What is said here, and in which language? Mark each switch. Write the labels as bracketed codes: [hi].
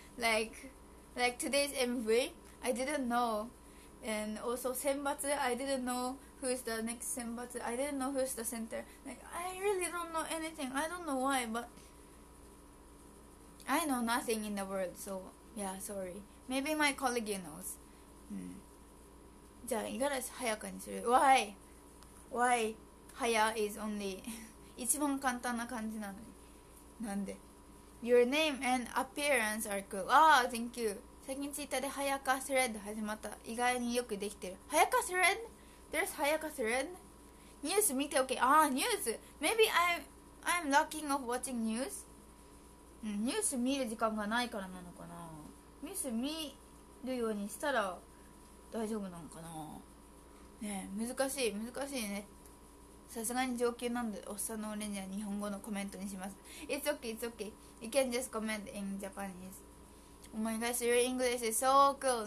[en] Like today's MV, I didn't know. And also 選抜, I didn't know who's the next 選抜. I didn't know who's the center. Like, I really don't know anything. I don't know why, butI know nothing in the world, so yeah, sorry. Maybe my colleague knows. [ja] じゃあ、五十嵐早香にする。 [en] Why? Why? 早 is only [ja] 一番簡単な感じなのに。なんで [en] ?Your name and appearance are cool. Ah, thank you. [ja] 最近 Twitter で早香スレッド始まった。意外によくできてる。早香スレッド ? [en] There's [ja] 早香スレッド?ニュース見ておけ。 [en] ああ、ニュース !Maybe I'm lacking of watching news? [ja] ニュース見る時間がないからなのかな。ニュース見るようにしたら大丈夫なのかな。ねえ、難しいね。さすがに上級なんで、おっさんのオレンジは日本語のコメントにします。 [en] It's okay, it's okay. You can just comment in Japanese. Oh my gosh, your English is so cool.